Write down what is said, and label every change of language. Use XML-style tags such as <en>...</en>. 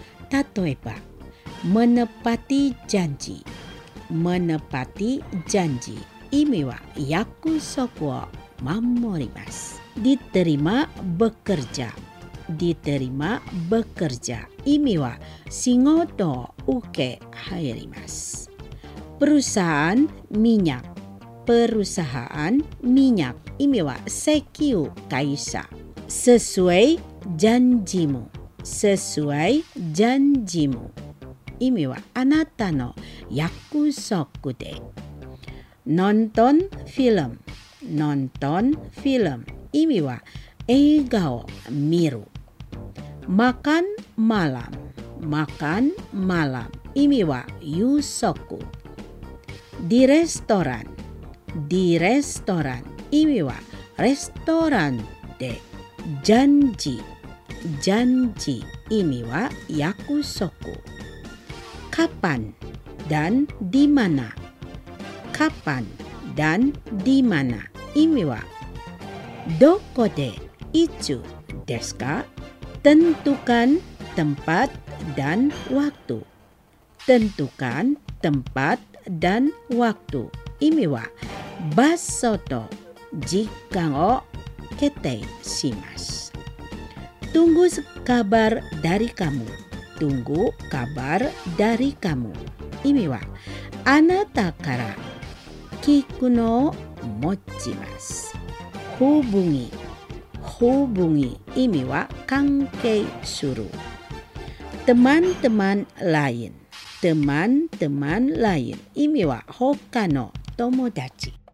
<ja>例えばマナパティジャンジ、マナパティジャンジ、意味は約束を守ります。</ja> <id>diterima bekerja, diterima bekerja,</id> <ja>意味は仕事を受け入ります。</ja> <id>perusahaan minyak, perusahaan minyak,</id> <ja>意味は石油会社。</ja> <id>sesuai janjimu, sesuai janjimu,</id> <ja>意味はあなたの約束で。</ja> <id>nonton film, nonton film,</id> <ja>意味は映画を見る。</ja> <id>makan malam, makan malam,</id> <ja>意味は夕食。</ja> <id>di restoran, di restoran,</id> <ja>意味はレストランで。</ja> <id>janji, janji,</id> <ja>意味は約束。</ja> <id>kapan dan di mana, kapan dan di mana,</id> <ja>意味はどこで、いつですか。</ja> <id>tentukan tempat dan waktu, tentukan tempat dan waktu,</id> <ja>意味は場所と時間を決定します。</ja> <id>tunggu kabar dari kamu, tunggu kabar dari kamu,</id> <ja>意味はあなたから聞くのを待ちます。</ja> <id>hubungi, hubungi,</id> <ja>意味は関係する。</ja> <id>teman-teman lain, teman-teman lain,</id> <ja>意味は他の友達。</ja>